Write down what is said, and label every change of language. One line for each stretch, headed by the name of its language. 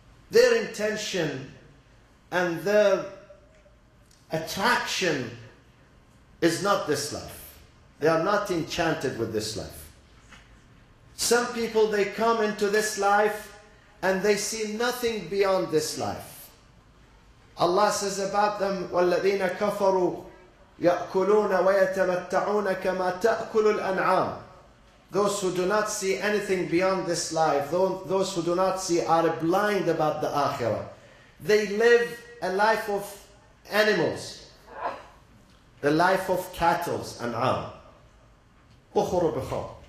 English: Their intention and their attraction is not this life. They are not enchanted with this life. Some people, they come into this life and they see nothing beyond this life. Allah says about them,
Arabic: وَالَّذِينَ كَفَرُوا يَأْكُلُونَ وَيَتَمَتَّعُونَ كَمَا تَأْكُلُ الْأَنْعَامُ.
English: Those who do not see anything beyond this life, those who do not see are blind about the Akhirah. They live a life of animals, the life of cattle and an'am. Bukhur bukhar.